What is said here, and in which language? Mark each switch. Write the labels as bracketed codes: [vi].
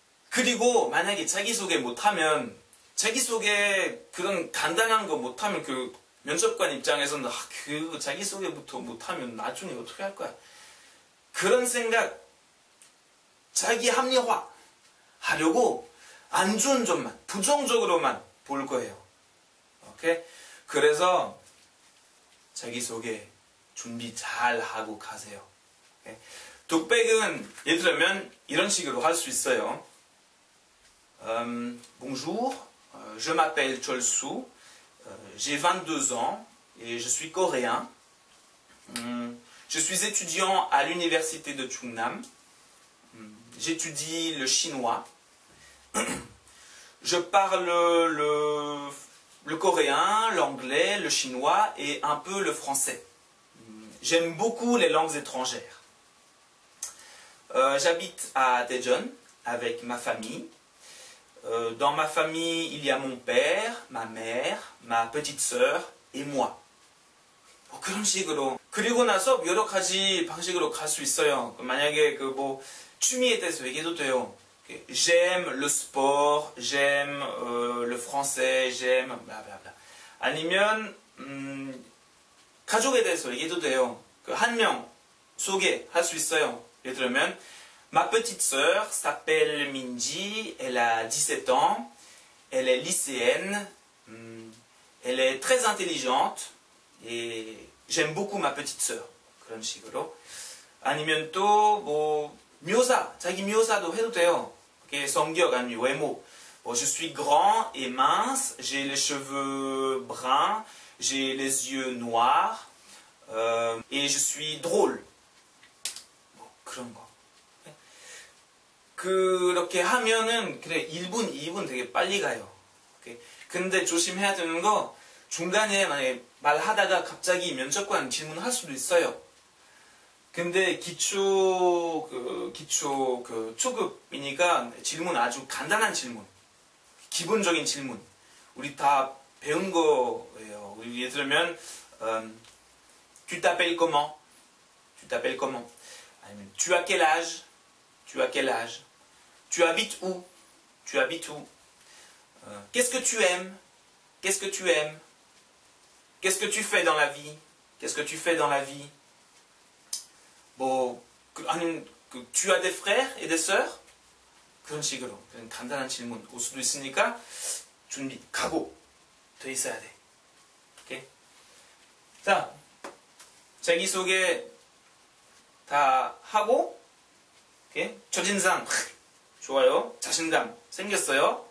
[ko] 그리고 만약에 자기소개 못하면, 자기소개 그런 간단한 거 못하면 그 면접관 입장에서는, 아, 그 자기소개부터 못하면 나중에 어떻게 할 거야, 그런 생각, 자기 합리화 하려고 안 좋은 점만, 부정적으로만 볼 거예요. 오케이? 그래서 자기소개 준비 잘 하고 가세요. 오케이? 독백은 예를 들면 이런 식으로 할 수 있어요. [fr] Bonjour, je m'appelle Cholsu, j'ai 22 ans et je suis coréen. Je suis étudiant à l'université de Chungnam. J'étudie le chinois. Je parle le coréen, l'anglais, le chinois et un peu le français. J'aime beaucoup les langues étrangères. J'habite à Daejeon avec ma famille. Dans ma famille, il y a mon père, ma mère, ma petite sœur et moi. [ko] 그런 식으로. 그리고 나서 여러 가지 방식으로 갈 수 있어요. 만약에 그 뭐 취미에 대해서 얘기해도 돼요. [fr] J'aime le sport, j'aime le français, j'aime blablabla. [ko] 아니면 가족에 대해서 얘기해도 돼요. 그 한 명 소개할 수 있어요. 예를 들면 [fr] Ma petite sœur s'appelle Minji, elle a 17 ans, elle est lycéenne, elle est très intelligente et j'aime beaucoup ma petite sœur. [ko] 그런 식으로. 아니면 또 뭐 묘사, 자기 묘사도 해도 돼요. 그게 성격 아니면 외모. [fr] Bon, je suis grand et mince, j'ai les cheveux bruns, j'ai les yeux noirs et je suis drôle. [ko] 뭐 그런 거. 그렇게 하면은 그래 1분, 2분 되게 빨리 가요. 근데 조심해야 되는 거 중간에 만약에 말하다가 갑자기 면접관 질문할 수도 있어요. 근데 기초 초급이니까 질문 아주 간단한 질문, 기본적인 질문. 우리 다 배운 거예요. 예를 들면 [fr] tu t'appelles comment? Tu t'appelles comment? [ko] 아니면 [fr] tu as quel âge? Tu as quel âge? Tu habites où? Tu habites où? Qu'est-ce que tu aimes? Qu'est-ce que tu aimes? Qu'est-ce que tu fais dans la vie? Qu'est-ce que tu fais dans la vie? Bon, tu as des frères et des sœurs? [ko] 그런 식으로, 그런 간단한 질문 올 수도 있으니까 준비, 각오 돼 있어야 돼. 오케이? 자, 자기소개 다 하고, 오케이? 첫인상 좋아요. 자신감 생겼어요.